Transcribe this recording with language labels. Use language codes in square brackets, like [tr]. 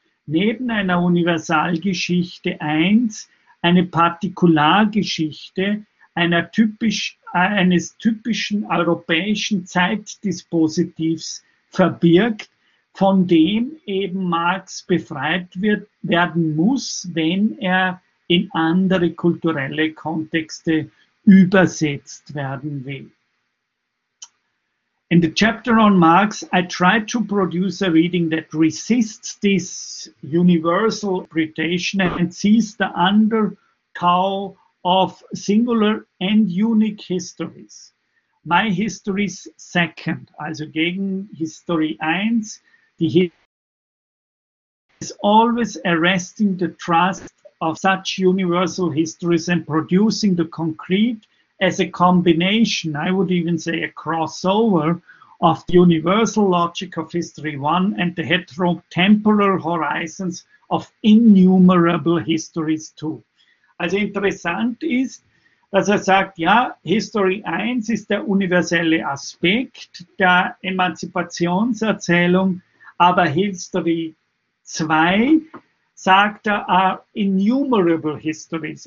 [de] neben einer Universalgeschichte 1 eine Partikulargeschichte eines typischen europäischen Zeitdispositivs verbirgt, von dem eben Marx befreit werden muss, wenn er in andere kulturelle Kontexte übersetzt werden will. [en] In the chapter on Marx, I try to produce a reading that resists this universal interpretation and sees the undertow of singular and unique histories. My history's second, [de] also gegen History 1, [en] the history is always arresting the trust of such universal histories and producing the concrete as a combination, I would even say a crossover, of the universal logic of history one and the heterotemporal horizons of innumerable histories two. [de] Also interessant ist, dass er sagt, ja, History 1 ist der universelle Aspekt der Emanzipationserzählung, aber History 2 sagt er, innumerable histories.